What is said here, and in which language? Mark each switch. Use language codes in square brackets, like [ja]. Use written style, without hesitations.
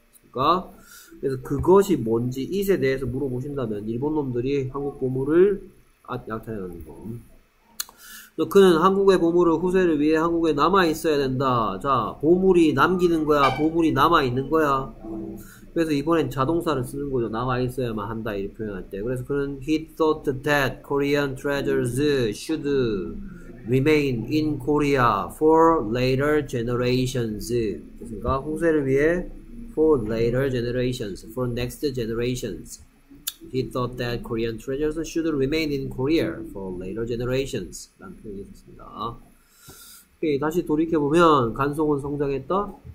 [ko] 그러니까 그래서 그것이 뭔지 it에 대해서 물어보신다면 일본 놈들이 한국 고물을 약탈하는 거. 그는 한국의 보물을 후세를 위해 한국에 남아 있어야 된다. 자, 보물이 남기는 거야, 보물이 남아 있는 거야. 그래서 이번엔 자동사를 쓰는 거죠. 남아 있어야만 한다, 이렇게 표현할 때. 그래서 그는 [en] he thought that Korean treasures should remain in Korea for later generations. [ko] 그러니까 후세를 위해 [en] for later generations, for next generations. He thought that Korean treasures should remain in Korea for later generations. [ko] 라는 표현이 있었습니다. 오케이, 다시 돌이켜보면, 간송은 성장했다?